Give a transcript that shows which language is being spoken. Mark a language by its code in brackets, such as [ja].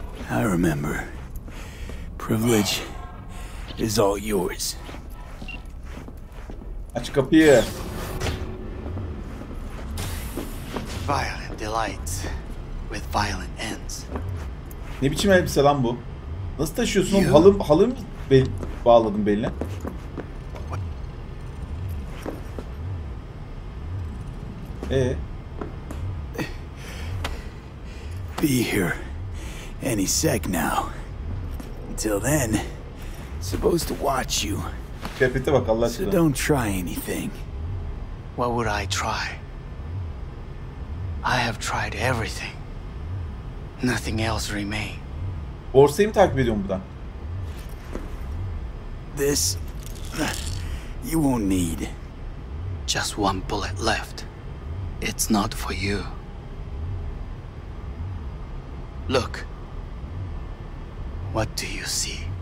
[en] I remember. Privilege is all yours. [tr] Aç kapıyı. [en] Violent delights with violent ends. [tr] Ne biçim elbise lan bu? Nasıl taşıyorsun oğlum? Halı, halı mı bağladın beline? [en] Be here any sec now. Until then, supposed to watch you. [tr] Kepite bak Allah aşkına. [en] So don't try anything. What would I try? I have tried everything. Nothing else remains. [tr] Borsayı mı takip ediyorum buradan? [en] This you won't need. Just one bullet left. It's not for you. Look. What do you see?